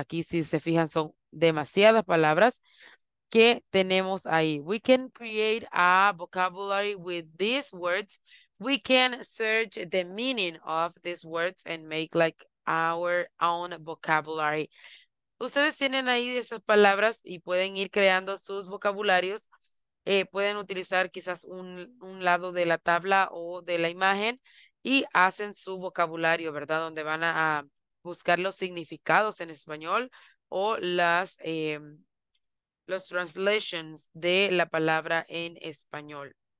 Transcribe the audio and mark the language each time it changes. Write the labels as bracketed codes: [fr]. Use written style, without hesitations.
[es] Aquí, si se fijan, son demasiadas palabras que tenemos ahí. [en] We can create a vocabulary with these words. We can search the meaning of these words and make like our own vocabulary. [es] Ustedes tienen ahí esas palabras y pueden ir creando sus vocabularios. Pueden utilizar quizás un lado de la tabla o de la imagen y hacen su vocabulario, ¿verdad? Donde van a buscar los significados en español o las los translations de la palabra en español.